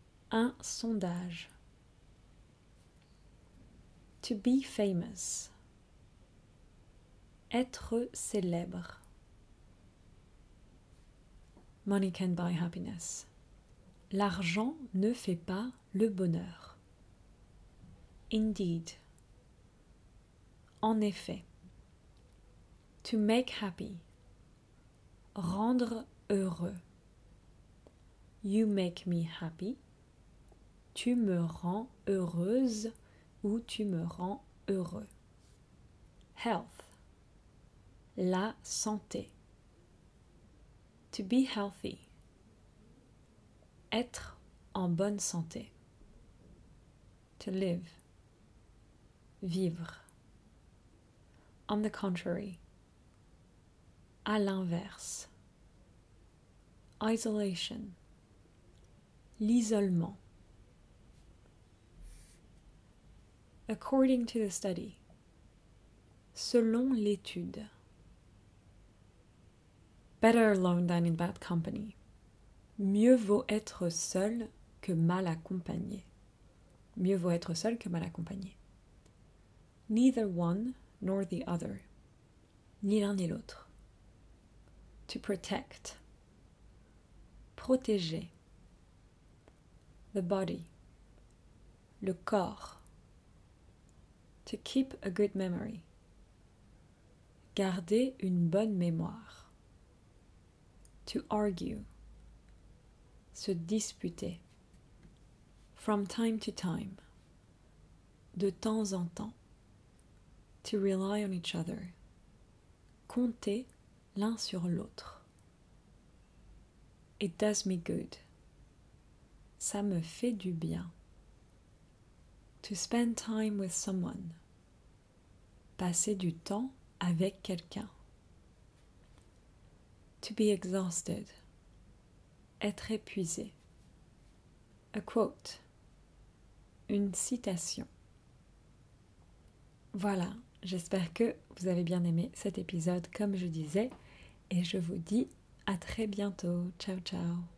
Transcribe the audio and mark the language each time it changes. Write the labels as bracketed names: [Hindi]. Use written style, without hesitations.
[French] Un sondage. [English] To be famous. [French] Être célèbre. [English] Money can buy happiness. [French] L'argent ne fait pas le bonheur. [English] Indeed. [French] En effet. [English] To make happy. [French] Rendre heureux. [English] You make me happy. [French] Tu me rends heureuse ou tu me rends heureux. [English] Health. [French] La santé. [English] To be healthy. [French] Être en bonne santé. [English] To live. [French] Vivre. [English] On the contrary. [French] À l'inverse. [English] Isolation. [French] L'isolement. [English] According to the study. [French] Selon l'étude. [English] Better alone than in bad company. [French] Mieux vaut être seul que mal accompagné. Mieux vaut être seul que mal accompagné. [English] Neither one nor the other. [French] Ni l'un ni l'autre. [English] To protect. [French] Protéger. [English] The body. [French] Le corps. [English] To keep a good memory. [French] Garder une bonne mémoire. [English] To argue. [French] Se disputer. [English] From time to time. [French] De temps en temps. [English] To rely on each other. [French] Compter l'un sur l'autre. [English] It does me good. [French] Ça me fait du bien. [English] To spend time with someone. [French] Passer du temps avec quelqu'un. [English] To be exhausted. [French] Être épuisé. [English] A quote. [French] Une citation. Voilà, j'espère que vous avez bien aimé cet épisode, comme je disais, et je vous dis à très bientôt. Ciao, ciao.